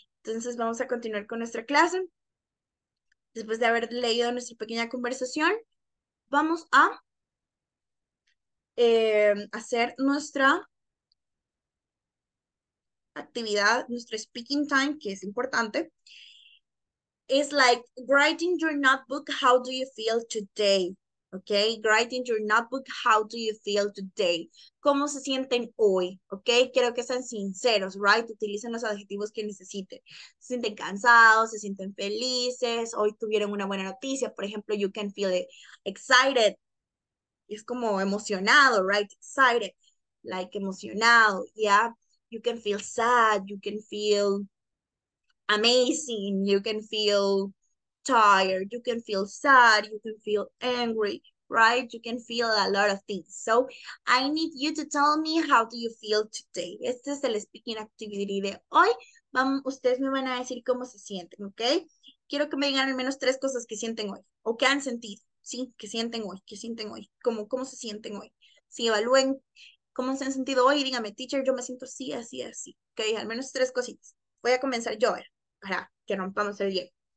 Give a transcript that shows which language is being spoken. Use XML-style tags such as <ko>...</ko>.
<es>Entonces vamos a continuar con nuestra clase. Después de haber leído nuestra pequeña conversación, vamos a hacer nuestra actividad, nuestro speaking time, que es importante.</es> <en>It's like, writing your notebook, how do you feel today? Okay, writing your notebook, how do you feel today?</en> <es>¿Cómo se sienten hoy? Okay, quiero que sean sinceros, right? Utilicen los adjetivos que necesiten. ¿Se sienten cansados? ¿Se sienten felices? ¿Hoy tuvieron una buena noticia? Por ejemplo,</es> <en>you can feel excited.</en> <es>Es como emocionado, right? Excited, like emocionado, yeah?</es> <en>You can feel sad, you can feel amazing, you can feel tired, you can feel sad, you can feel angry, right? You can feel a lot of things. So I need you to tell me how do you feel today.</en> <es>Este es el speaking activity de hoy. Ustedes me van a decir cómo se sienten, ¿ok? Quiero que me digan al menos tres cosas que sienten hoy o que han sentido, ¿sí? Que sienten hoy, que sienten hoy. ¿Cómo se sienten hoy? Si evalúen cómo se han sentido hoy, dígame, teacher, yo me siento así, así, así. Ok, al menos tres cositas. Voy a comenzar yo ahora para que rompamos el hielo.</es>